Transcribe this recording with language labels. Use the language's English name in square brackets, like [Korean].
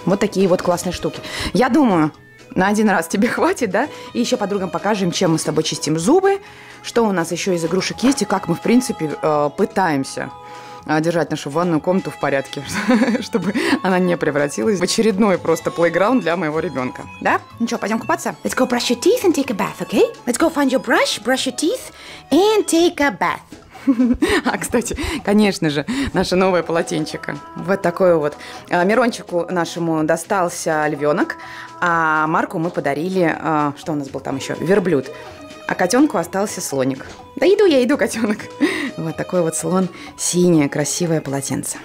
[Russian] Вот такие вот классные штуки. Я думаю... На один раз тебе хватит, да? И еще подругам покажем, чем мы с тобой чистим зубы, что у нас еще из игрушек есть и как мы, в принципе, пытаемся держать нашу ванную комнату в порядке, чтобы она не превратилась в очередной просто плейграунд для моего ребенка. Да? Ну что, пойдем купаться? [English] Let's go brush your teeth and take a bath, okay? Let's go find your brush, brush your teeth and take a bath. [Russian] А, кстати, конечно же, наше новое полотенчико. Вот такое вот. Мирончику нашему достался львенок, а Марку мы подарили, что у нас был там еще, верблюд. А котенку остался слоник. Да иду я, иду, котенок. Вот такой вот слон, синее, красивое полотенце.